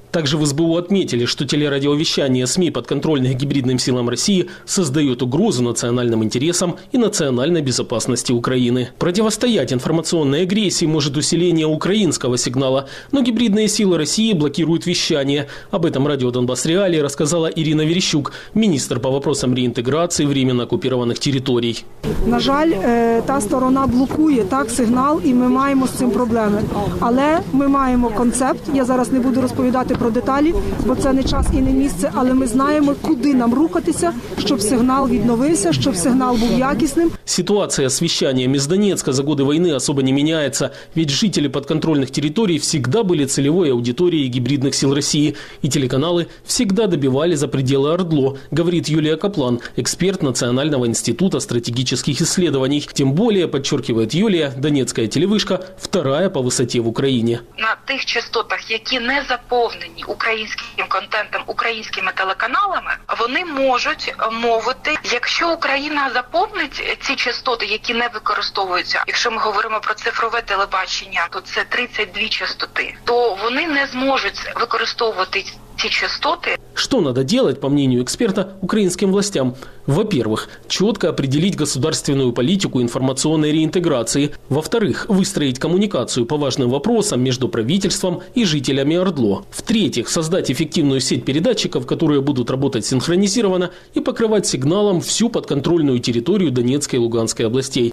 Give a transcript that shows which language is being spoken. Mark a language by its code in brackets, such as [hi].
[ru] Также в СБУ отметили, что телерадиовещание СМИ, подконтрольных гибридным силам России, создает угрозу национальным интересам и национальной безопасности Украины. Противостоять информационной агрессии может усиление украинского сигнала, но гибридные силы России блокируют вещание. Об этом радио «Донбасс Реалии» рассказала Ирина Верещук, министр по вопросам реинтеграции временно оккупированных территорий. [uk] На жаль, та сторона блокує так сигнал, і ми маємо з цим проблеми. Але ми маємо концепт, я зараз не буду розповідати про деталі, бо це не час і не місце, але ми знаємо, куди нам рухатися, щоб сигнал відновився, щоб сигнал був якісним. Ситуація з вещанням із Донецька за годи війни особо не міняється, ведь жителі підконтрольних територій завжди були цільовою аудиторією гібридних сил Росії, і телеканали завжди добивали [ru] за пределы [uk] ОРДЛО, говорить Юлія Каплан, експерт Національного інституту стратегічних дослідувань. Тим більше, підчеркує Юлія, донецька телевишка вторая по висоті в Україні. На тих частотах, які не заповнені українським контентом, українськими телеканалами, вони можуть мовити, якщо Україна заповнить ці частоти, які не використовуються. Якщо ми говоримо про цифрове телебачення, то це 32 частоти, то вони не зможуть використовувати ці частоти. Що треба робити, [ru] по мнению [uk] експерта, українським властям? [ru] Во-первых, четко определить государственную политику информационной реинтеграции. Во-вторых, выстроить коммуникацию по важным вопросам между правительством и жителями ОРДЛО. В-третьих, создать эффективную сеть передатчиков, которые будут работать синхронизированно и покрывать сигналом всю подконтрольную территорию Донецкой и Луганской областей.